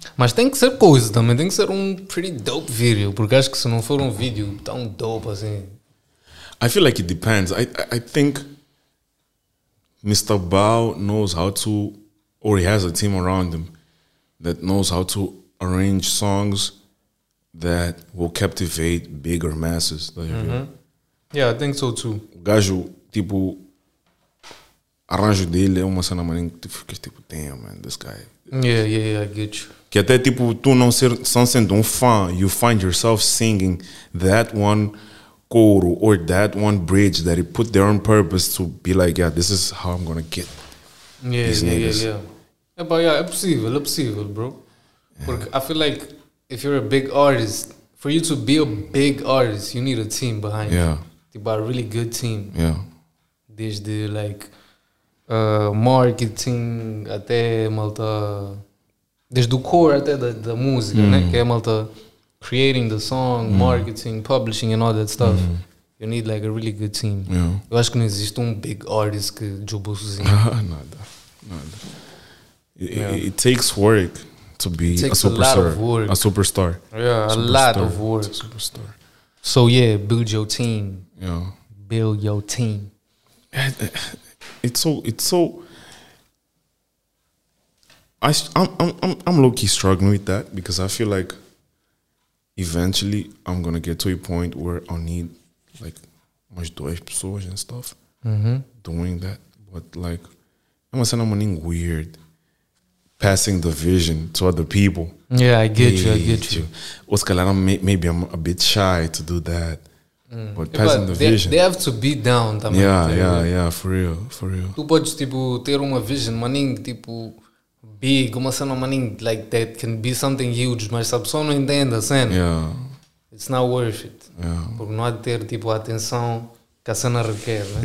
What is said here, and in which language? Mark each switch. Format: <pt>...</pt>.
<pt>Mas tem que ser coisa também, tem que ser um</pt> <en>pretty dope video.</en> <pt>Porque acho que se não for um vídeo tão dope assim.</pt> <en>I feel like it depends. I think. Mr. Bao knows how to, or he has a team around him that knows how to arrange songs that will captivate bigger masses. Mm-hmm. Yeah, I think so too.</en> <pt>O gajo, tipo, arranjo dele é uma cena maninha que tu ficas tipo,</pt> <en>damn, man, this guy. Yeah, I get you.</en> <pt>Que até tipo, tu não ser, sendo fã,</pt> <en>you find yourself singing that one coro or that one bridge that he put there on purpose to be like, yeah, this is how I'm gonna get these niggas. Yeah, but yeah, it's possible, bro. Because yeah. I feel like if you're a big artist, for you to be a big artist, you need a team behind you. Yeah. A really good team. Yeah. There's the like marketing,</en> <pt>até malta.</pt> <en>There's the core,</en> <pt>até</pt> <en>the music,</en> <pt>né? Que é malta.</pt> <en>Creating the song, marketing, publishing, and all that stuff. Mm. You need like a really good team. Yeah.</en> <pt>Eu acho que não existe</pt> <en>big artist</en> <pt>que jobou sozinho.</pt> <en>Nada. Yeah. It takes work to be a superstar. A superstar. Yeah, a lot of work. So yeah, build your team. Yeah. Build your team. It's so. I'm low key struggling with that because I feel like. Eventually, I'm gonna get to a point where I need like</en> <pt>umas duas pessoas</pt> <en>and stuff doing that. But like, I'm gonna say I'm weird passing the vision to other people. Yeah, I get you.</en> <pt>Os calhar,</pt> <en>maybe I'm a bit shy to do that. Mm. But passing but the they, vision. They have to be down. Também, yeah, for real.</en> <pt>Tu podes, tipo, ter uma vision, maning, tipo. Big, uma cena maning</pt> <en>like that can be something huge,</en> <pt>mas a pessoa não entende a cena.</pt> <en>Yeah. It's not worth it. Yeah.</en> <pt>Porque não há de ter tipo a atenção que a cena requer, né?</pt>